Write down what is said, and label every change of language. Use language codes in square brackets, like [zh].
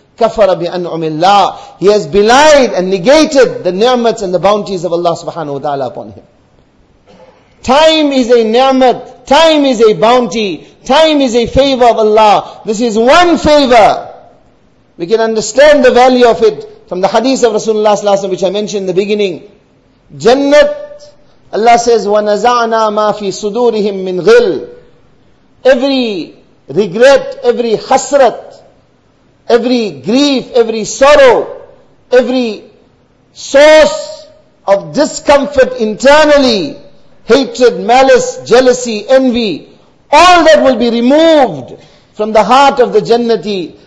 [ar] Kafara bi an'umi Allah. [en] He has belied and negated the ni'mats and the bounties of Allah subhanahu wa ta'ala upon him. Time is a ni'mat. Time is a bounty. Time is a favor of Allah. This is one favor. We can understand the value of it from the hadith of Rasulullah sallallahu alaihi wasallam, which I mentioned in the beginning. Jannat, Allah says, [ar] وَنَزَعْنَا مَا فِي صُدُورِهِمْ مِنْ غِلٍّ. [en] Every regret, every hasrat, every grief, every sorrow, every source of discomfort internally, hatred, malice, jealousy, envy, all that will be removed from the heart of the Jannati.